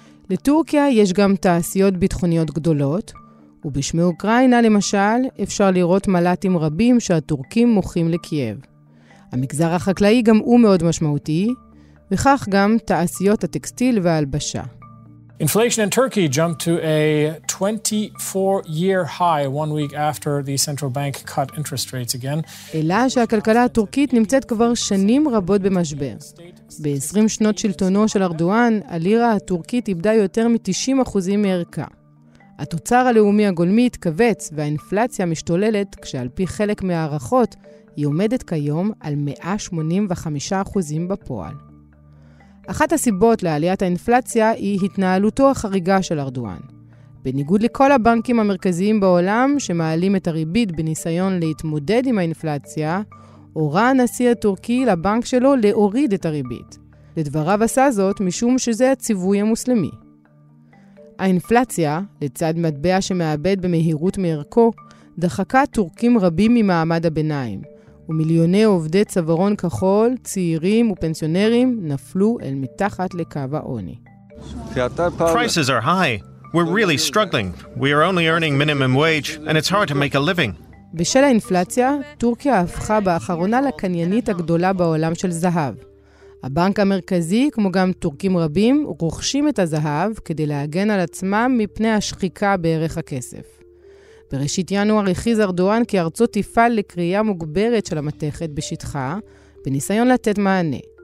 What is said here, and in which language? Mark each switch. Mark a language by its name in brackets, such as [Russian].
[Hebrew] לטורקיה יש גם תעשיות ביטחוניות גדולות, ובשמי אוקראינה למשל אפשר לראות מלטים רבים שהטורקים מוכרים לקייב. המגזר החקלאי גם הוא מאוד משמעותי, וכך גם תעשיות הטקסטיל וההלבשה. [English] Inflation in Turkey jumped to a 24-year high one week after the central bank cut interest rates again. [Hebrew] אלא שהכלכלה הטורקית נמצאת כבר שנים רבות במשבר. ב-20 שנות שלטונו של ארדואן, הלירה הטורקית איבדה יותר מ-90% מערכה. התוצר הלאומי הגולמי התכווץ והאינפלציה משתוללת, כשעל פי חלק מהערכות היא עומדת כיום על 185% בפועל. אחת הסיבות לעליית האינפלציה היא התנהלותו החריגה של ארדואן. בניגוד לכל הבנקים המרכזיים בעולם שמעלים את הריבית בניסיון להתמודד עם האינפלציה, הורה הנשיא הטורקי לבנק שלו להוריד את הריבית. לדבריו עשה זאת משום שזה הציווי המוסלמי. האינפלציה, לצד מטבע שמאבד במהירות מערכו, דחקה טורקים רבים ממעמד הביניים. ומיליוני עובדי צווארון כחול, צעירים ופנסיונרים נפלו אל מתחת לקו העוני. [English] Prices are high. We're really struggling. We are only earning minimum wage and it's hard to make a living. [Hebrew] בשל האינפלציה, טורקיה הפכה באחרונה לקניינית הגדולה בעולם של זהב. הבנק המרכזי, כמו גם טורקים רבים, רוכשים את הזהב כדי להגן על עצמם מפני השחיקה בערך הכסף. בראשית ינואר הכריז ארדואן כי ארצו תפעל לקריאה מוגברת של המתכת בשטחה, בניסיון לתת מענה.